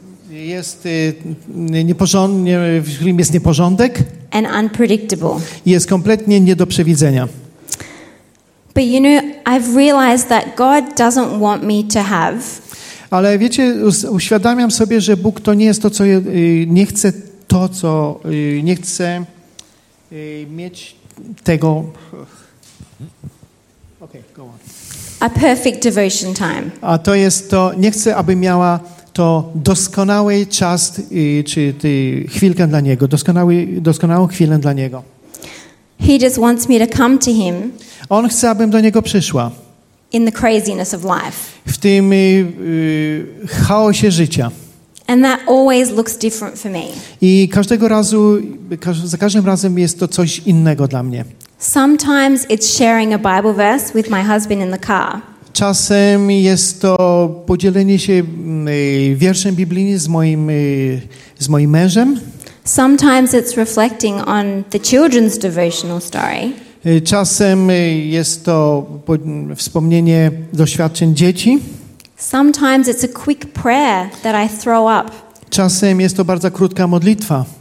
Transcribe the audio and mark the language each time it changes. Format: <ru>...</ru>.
<pl>Jest nieporządnie, w którym jest nieporządek.</pl> <en>And unpredictable.</en> <pl>Jest kompletnie nie do przewidzenia.</pl> <en>But you know, I've realized that God doesn't want me to have.</en> <pl>Ale wiecie, uświadamiam sobie, że Bóg to nie jest to, co nie chce, to co nie chce mieć tego.</pl> <en>Okay, go on. A perfect devotion time.</en> <pl>A to jest to, nie chcę, aby miała to doskonały czas, czy chwilkę dla Niego, doskonałą chwilę dla Niego.</pl> <en>He just wants me to come to Him.</en> <pl>On chce, abym do Niego przyszła.</pl> <en>In the craziness of life.</en> <pl>W tym chaosie życia.</pl> <en>And that always looks different for me.</en> <pl>I każdego razu, za każdym razem jest to coś innego dla mnie.</pl> <en>Sometimes it's sharing a Bible verse with my husband in the car.</en> <pl>Czasem jest to podzielenie się wierszem biblijnym z moim mężem.</pl> <en>Sometimes it's reflecting on the children's devotional story.</en> <pl>Czasem jest to wspomnienie doświadczeń dzieci.</pl> <en>Sometimes it's a quick prayer that I throw up.</en> <pl>Czasem jest to bardzo krótka modlitwa.</pl>